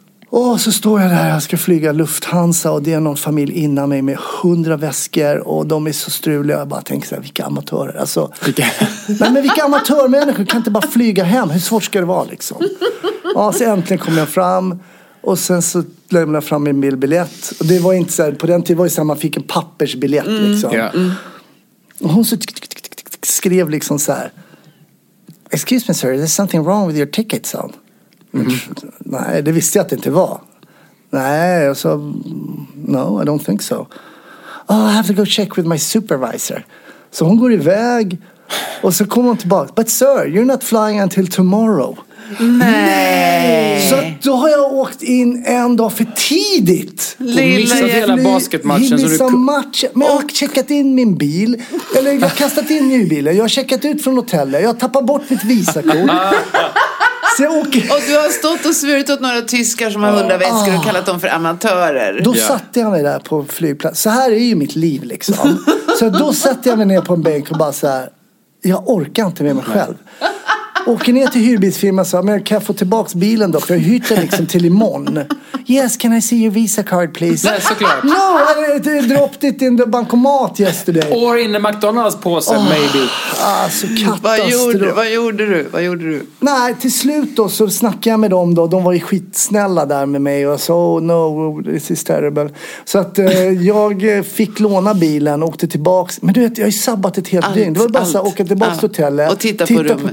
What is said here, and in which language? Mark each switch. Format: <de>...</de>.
<sv>Och så står jag där, jag ska flyga Lufthansa och det är någon familj innan mig med 100 väskor och de är så struliga. Jag bara tänker så här, vilka amatörer. Alltså, vilka amatörmänniskor, kan inte bara flyga hem? Hur svårt ska det vara liksom? Ja, så äntligen kom jag fram och sen så lämnade jag fram min bilbiljett. Och det var inte så här, på den tiden var det så här, man fick en pappersbiljett liksom.</sv> <en>Yeah.</en> <sv>Och hon så skrev liksom så här,</sv> <en>excuse me sir, there's something wrong with your ticket, son.</en> <sv>Nej, det visste jag att det inte var. Nej, jag sa,</sv> <en>no, I don't think so. Oh, I have to go check with my supervisor.</en> <sv>Så hon går iväg och så kommer hon tillbaka.</sv> <en>But sir, you're not flying until tomorrow.</en> <sv>Nej. Så då har jag åkt in en dag för tidigt. Lilla, och missat hela basketmatchen. Men jag har checkat in min bil. Eller jag har kastat in min bil. Jag har checkat ut från hotellet. Jag har tappat bort mitt visakort. Och du har stått och svurit åt några tyskar som har hundraväskor och kallat dem för amatörer. Då satte jag mig där på flygplats. Så här är ju mitt liv liksom. Så då satte jag mig ner på en bänk och bara så här. Jag orkar inte med mig själv. Åker ner till hyrbilsfirman och sa, men kan jag få tillbaka bilen då? För jag hyr den liksom till imorgon.</sv> <en>Yes, can I see your visa card please?</en> <sv>Nej, såklart.</sv> <en>No, I dropped it in the bankomat yesterday. Or in the McDonald's påse, maybe.</en> <sv>Alltså, katastrof. Vad gjorde du? Nej, till slut då så snackade jag med dem då. De var ju skitsnälla där med mig. Och så,</sv> <en>oh no, this is terrible.</en> <sv>Så att jag fick låna bilen och åkte tillbaka. Men du vet, jag har ju sabbat ett helt dygn. Det var bara att åka tillbaka till hotellet. Och titta på rummet.</sv>